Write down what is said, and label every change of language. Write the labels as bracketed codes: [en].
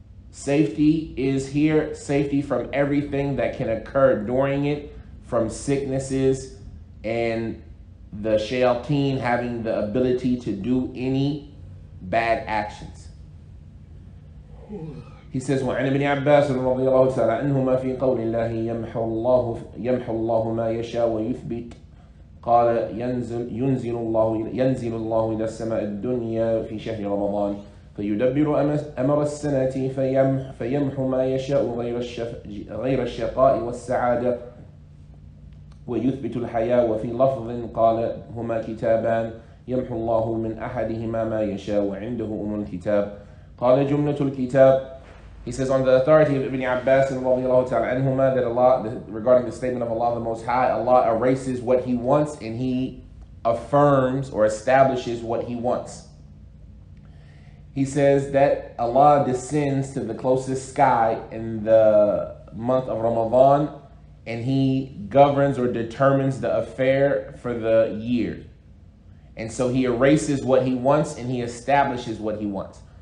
[en] safety is here, safety from everything that can occur during it, from sicknesses and the shayateen having the ability to do any bad actions. He says, [ar] وَعَنِ بْنِ عَبَّاسٍ رَضِيَ اللَّهُ تَعَالَى عَنْهُمَا فِي قَوْلِ اللَّهِ يَمْحُو اللَّهُ مَا يَشَاءُ وَيُثْبِتُ قَالَ يَنْزِلُ اللَّهُ إِلَى السَّمَاءِ الدُّنْيَا فِي شَهْرِ رَمَضَانَ فَيُدَبِّرُ أَمْرَ السَّنَةِ فَيَمْحُو مَا يَشَاءُ غَيْرَ الشَّقَاءِ وَالسَّعَادَةِ وَيُثْبِتُ الْحَيَاءَ وَفِي لَفْظٍ قَالَ هُمَا كِتَابًا يَمْحُو اللَّهُ مِنْ أَحَدِهِمَا مَا يَشَاءُ وَعِنْدَهُ أُمُّ الْكِتَابِ قَالَ جُمْلَةُ الْكِتَابِ. [en] He says, on the authority of Ibn Abbas and [ar] رضي الله تعالى عنهما, [en] that Allah, regarding the statement of Allah the Most High, Allah erases what He wants and He affirms or establishes what He wants. He says that Allah descends to the closest sky in the month of Ramadan, and He governs or determines the affair for the year. And so He erases what He wants and He establishes what He wants.